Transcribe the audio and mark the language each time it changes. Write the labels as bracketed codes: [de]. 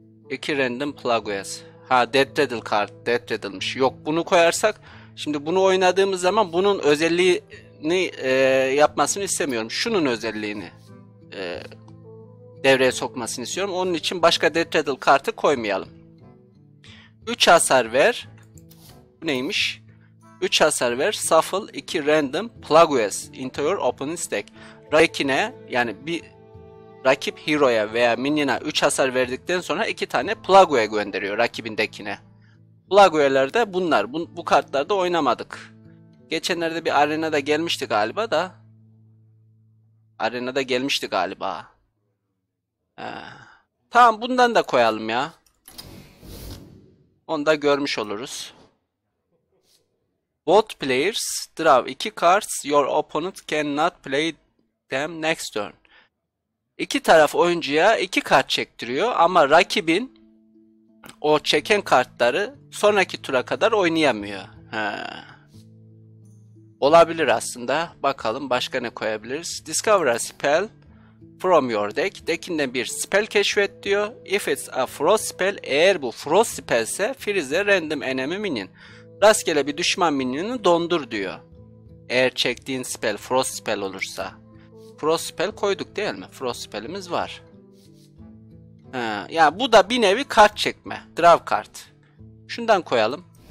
[tr] İki random plagues. Ha, death rattle kart, death rattle'mış. Yok, bunu koyarsak, şimdi bunu oynadığımız zaman bunun özelliğini yapmasını istemiyorum. Şunun özelliğini devreye sokmasını istiyorum. Onun için başka death rattle kartı koymayalım. 3 hasar ver. Bu neymiş? 3 hasar ver. [en] Shuffle 2 random Plagueis into your opponent's deck. [tr] Rakine, yani bir rakip hero'ya veya minion'a 3 hasar verdikten sonra 2 tane Plague'e gönderiyor rakibindekine. Plague'ler de bunlar. Bu kartlarda oynamadık. Geçenlerde bir arenada gelmişti galiba da. Arenada gelmişti galiba. Tamam, bundan da koyalım ya. Onu da görmüş oluruz. [en] Both players draw 2 cards. Your opponent cannot play them next turn. [tr] İki taraf oyuncuya 2 kart çektiriyor ama rakibin o çeken kartları sonraki tura kadar oynayamıyor. Olabilir aslında. Bakalım başka ne koyabiliriz? [en] Discover a spell from your deck. [tr] Deckinden bir spell keşfet diyor. [en] If it's a frost spell, [tr] eğer bu frost spell ise [en] freeze a random enemy minion. [tr] Rastgele bir düşman minionunu dondur diyor. Eğer çektiğin spell frost spell olursa. Frost spell koyduk değil mi? Frost spell'imiz var. Ya yani bu da bir nevi kart çekme. Draw kart. Şundan koyalım.